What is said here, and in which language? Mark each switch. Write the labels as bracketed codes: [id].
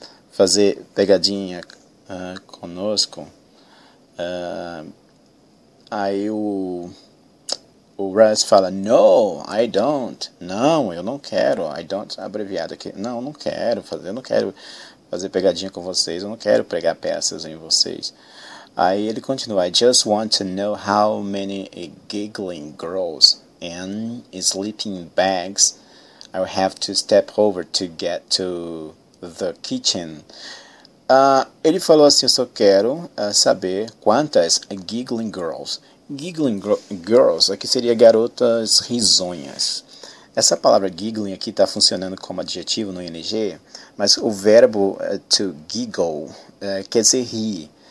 [pt] Fazer pegadinha conosco. Aí o Russ fala, [en] no, I don't. [pt] Não, eu não quero. [en] I don't, [pt] abreviado aqui. Não, não quero fazer, eu não quero fazer pegadinha com vocês. Eu não quero pregar peças em vocês. Aí ele continua, [en] I just want to know how many giggling girls and sleeping bags I will have to step over to get to the kitchen. [pt] Ele falou assim, eu só quero saber quantas [en] giggling girls. Giggling girls [pt] aqui seria garotas risonhas. Essa palavra giggling aqui está funcionando como adjetivo no ING, mas o verbo [en] to giggle [pt] quer dizer rir.